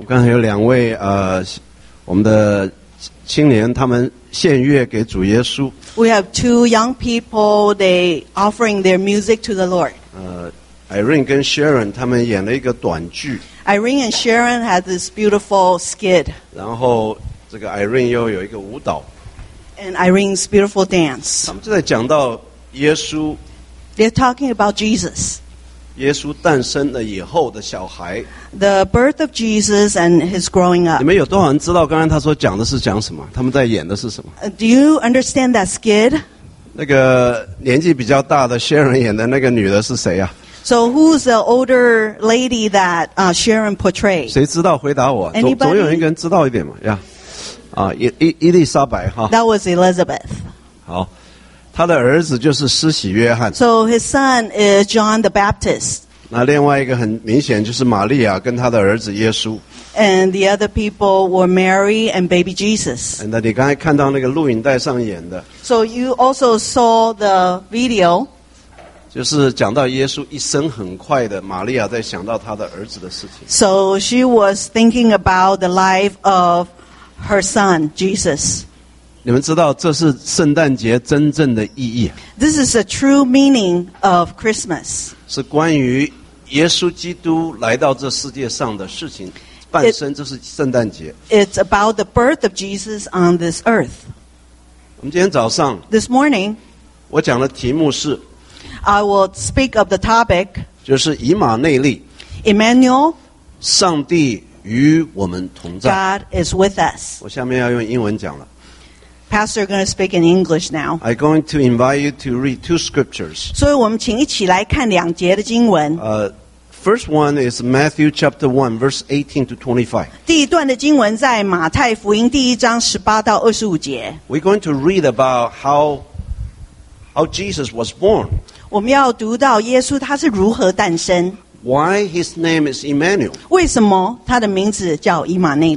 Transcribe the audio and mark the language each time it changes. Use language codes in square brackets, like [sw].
[zh] 刚才有两位我们的青年他们献乐给主耶稣。 [en] We have two young people, they offering their music to the Lord. [zh] Irene 跟 Sharon 他们演了一个短剧。 [en] Irene and Sharon had this beautiful skit. [zh] 然后这个 Irene 又有一个舞蹈。 [en] And Irene's beautiful dance. [zh] 他们就在讲到耶稣。 [en] They're talking about Jesus. [zh] 耶稣诞生了以后的小孩。 [en] The birth of Jesus and his growing up. [zh] 你们有多少人知道刚才他说讲的是讲什么？他们在演的是什么 [en] ？Do you understand that skit? [zh] 那个年纪比较大的 Sharon 演的那个女的是谁啊？ [en] So who's the older lady that Sharon portrayed? [zh] 谁知道回答我？ [en] Anybody? [zh] 总有一个人知道一点嘛，呀、yeah.。啊，伊丽莎白哈。 [en] That was Elizabeth. [zh] 好，他的儿子就是施洗约翰。 [en] So his son is John the Baptist. [zh] 那另外一个很明显就是玛利亚跟他的儿子耶稣。 [en] And the other people were Mary and baby Jesus. [zh] And 你刚才看到那个录影带上演的。 [en] So you also saw the video. [zh] 就是讲到耶稣一生很快的，玛利亚在想到他的儿子的事情。 [en] So she was thinking about the life of. Her son, Jesus. [zh] 你们知道这是圣诞节真正的意义。 [en] This is the true meaning of Christmas. [zh] 是关于耶稣基督来到这世界上的事情，诞生，这是圣诞节。 [en] It's about the birth of Jesus on this earth. [zh] 我们今天早上。 [en] This morning. [zh] 我讲的题目是。 [en] I will speak of the topic. [zh] 就是以马内利。 [en] Emmanuel. [zh] 上帝。与我们同在。 [en] God is with us. [zh] 我下面要用英文讲了。 [en] Pastor is going to speak in English now. I'm going to invite you to read two scriptures. [zh] 所以我们请一起来看两节的经文。 [en] First one is Matthew chapter 1, verse 18 to 25. [zh] 第一段的经文在马太福音第一章十八到二十五节。 [en] We're going to read about how Jesus was born. [zh] 我们要读到耶稣他是如何诞生。 [en] Why his name is Emmanuel? [zh] 为什么他的名字叫以马内利?